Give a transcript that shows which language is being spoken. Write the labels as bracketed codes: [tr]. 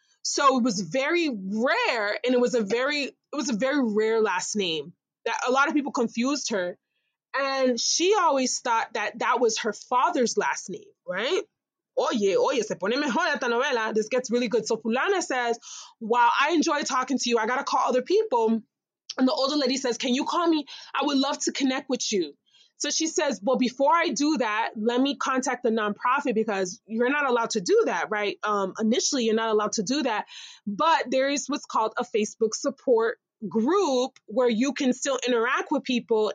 [en] So it was very rare, and it was a very rare last name that a lot of people confused her. And she always thought that that was her father's last name, right? [es] Oye, oye, se pone mejor esta novela. [en] This gets really good. So Fulana says, while I enjoy talking to you, I got to call other people. And the older lady says, can you call me? I would love to connect with you. So she says, well, before I do that, let me contact the nonprofit, because you're not allowed to do that, right? Initially, you're not allowed to do that. But there is what's called a Facebook support group where you can still interact with people.